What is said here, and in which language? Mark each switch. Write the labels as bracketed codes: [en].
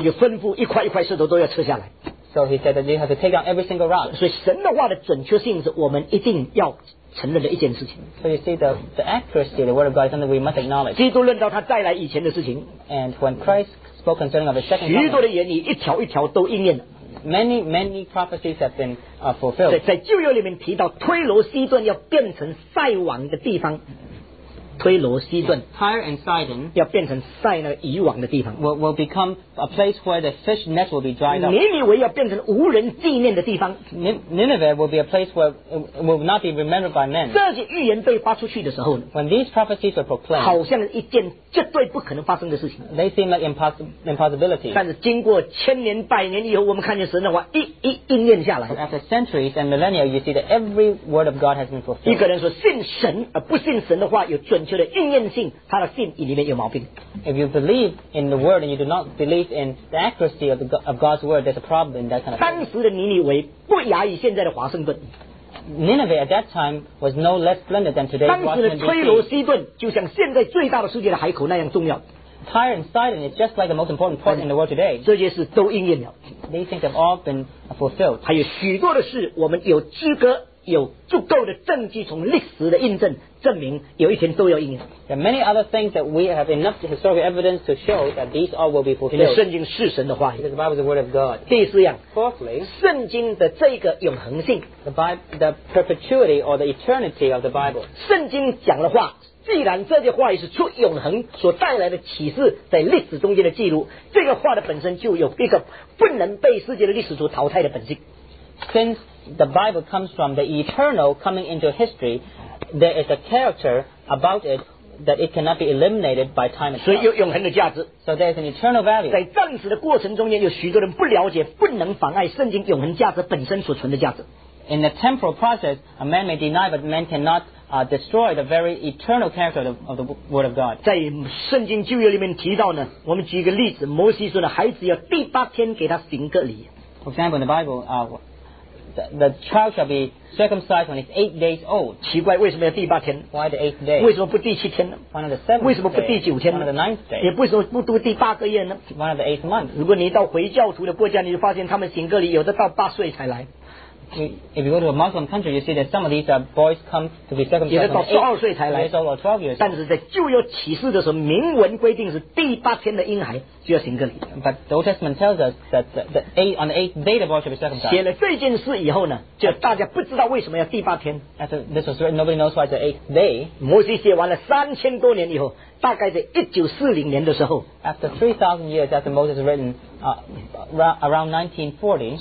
[zh] 所以吩咐一块一块石头都要撤下来。 [en] So he said that you have to take down every single rock. [zh] 所以神的话的准确性是我们一定要承认的一件事情。 [en] So you see the accuracy of the word of God is something we must acknowledge. [zh] 基督论到他再来以前的事情。 [en] And when Christ spoke concerning of the second coming, [zh] 许多的言语一条一条都应验了。 [en] Many prophecies have been fulfilled. [zh] 在旧约里面提到推罗西顿要变成塞网的地方。推罗西顿 [en] Tyre and Sidon [zh] 要变成塞那个渔网的地方 [en] will become a place where the fish nets will be dried up. [zh] 尼尼微要变成无人纪念的地方 [en] Nineveh will be a place where it will not be remembered by men. [zh] 这些预言被发出去的时候， [en] when these prophecies were proclaimed, [zh] 好像一件绝对不可能发生的事情， [en] they seem like impossibility. [zh] 但是经过千年百年以后，我们看见神的话一应验下来。 [en] After centuries and millennia, you see that every word of God has been fulfilled. [zh] 一个人说信神而不信神的话有准求的应验性，他的信里面有毛病。 [en] If you believe in the word and you do not believe in the accuracy of God's word, there's a problem in that kind of thing. [zh] 当时的尼尼微不亚于现在的华盛顿。 [en] Nineveh at that time was no less splendid than today's Washington. [zh] 当时的推罗西顿就像现在最大的世界的海口那样重要。 [en] Tyre and Sidon is just like the most important port in the world today. [zh] 这些事都应验了。 [en] These things have all been fulfilled. [zh] 还有许多的事，我们有资格有足够的证据从历史的印证证明有一天都要应验。 [en] There are many other things that we have enough historical evidence to show that these all will be fulfilled. [zh] 因为圣经是神的话语。 [en] Because the Bible is the word of God. [zh] 第四样。 [en] Fourthly, [zh] 圣经的这个永恒性。 [en] The perpetuity or the eternity of the Bible. [zh] 圣经讲的话，既然这些话语是出永恒所带来的启示，在历史中间的记录，这个话的本身就有一个不能被世界的历史所淘汰的本性。 [en] Since the Bible comes from the eternal coming into history, there is a character about it that it cannot be eliminated by time itself. [zh] 所以有永恒的价值。 [en] So there is an eternal value. [zh] 在暂时的过程中间，有许多人不了解，不能妨碍圣经永恒价值本身所存的价值。 [en] In the temporal process, a man may deny, but man cannot destroy the very eternal character of the Word of God. [zh] 在圣经旧约里面提到呢，我们举一个例子，摩西说的孩子要第八天给他行割礼。 [en] For example, in the Bible, the child shall be circumcised when he's 8 days old. [zh] 奇怪，为什么要第八天？ [en] Why the 8th day? [zh] 为什么不第七天呢？ [en] One of the 7th day. [zh] 为什么不第九天呢？ [en] One of the 9th day. [zh] 也为什么不读第八个月呢？ [en] One of the 8th month. [zh] 如果你到回教徒的国家，你就发现他们行割礼有的到八岁才来。 [en] If you go to a Muslim country, you see that some of these boys come to be circumcised at 12 years old. 12 years old. [zh] 但是在旧约启示的时候，明文规定是第八天的婴孩就要行割礼。 [en] But the Old Testament tells us that on the eighth day the boy should be circumcised. [zh] 写了这件事以后呢，就大家不知道为什么要第八天。 [en] After this was written, nobody knows why the 8th day. [zh] 摩西写完了3000多年以后，大概在1940年的时候。 [en] After 3000 years after Moses written, around 1940.